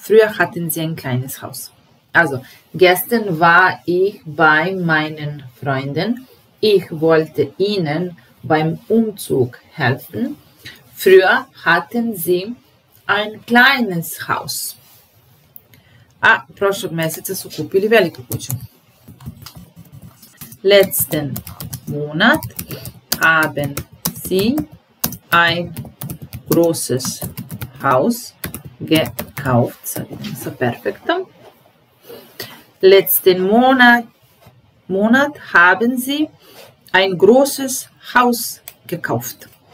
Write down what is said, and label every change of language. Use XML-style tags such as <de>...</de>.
<de>Früher hatten sie ein kleines Haus. Also, gestern war ich bei meinen Freunden. Ich wollte ihnen beim Umzug helfen. Früher hatten sie ein kleines Haus.</de> <sr>A prošlog mjeseca su kupili veliku kuću.</sr> <de>Letzten Monat haben sie ein großes Haus gekauft.</de> <sr>Sad idemo sa perfektom.</sr> <de>Letzten Monat haben sie ein großes Haus gekauft.</de>